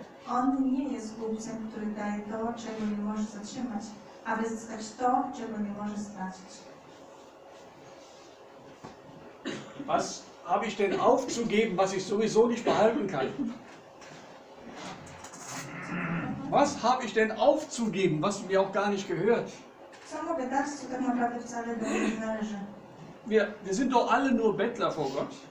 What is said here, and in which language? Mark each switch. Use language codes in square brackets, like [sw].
[pl] On nie jest głupcem, który daje to, czego nie może zatrzymać. Aby zyskać to, czego nie może stracić. [de] Was habe ich denn aufzugeben, was ich sowieso nicht behalten kann? Was habe ich denn aufzugeben, was mir auch gar nicht gehört? [pl] Co mogę dać, co tak naprawdę wcale do mnie nie należy? [de] Wir sind doch alle nur Bettler vor Gott.